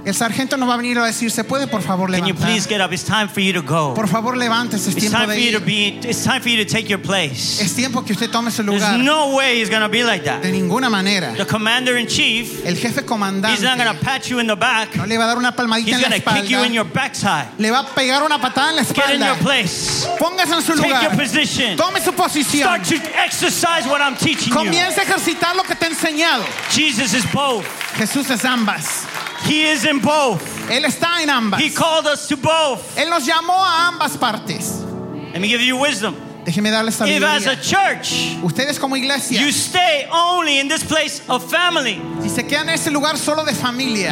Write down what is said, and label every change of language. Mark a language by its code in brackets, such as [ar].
[es] El sargento no va a venir a decir, ¿se puede, por favor, levantar? [en] Can you please get up? It's time for you to go. [es] Por favor, levántese. Es tiempo de ir. [en] It's time for you to take your place. [es] Es tiempo que usted tome su lugar. [en] There's no way he's going to be like that. [es] De ninguna manera. [en] The commander in chief. [es] El jefe comandante. [en] He's not going to pat you in the back. [es] No le va a dar una palmadita en la espalda. [en] He's going to kick you in your backside. [es] Le va a pegar una patada en la espalda. [en] Get in your place. [es] Póngase en su lugar. [en] Take your position. [es] Tome su posición. [en] Start to exercise what I'm teaching you. [es] Comienza a ejercitar lo que te he enseñado. [en] Jesus is both. [es] Jesús es ambas. [en] He is in both. [es] Él está en ambas. [en] He called us to both. [es] Él nos llamó a ambas partes. [en] Let me give you wisdom. [es] Déjeme darle sabiduría. [en] If as a church, [es] ustedes como iglesia, [en] you stay only in this place of family, [es] si se quedan en ese lugar solo de familia,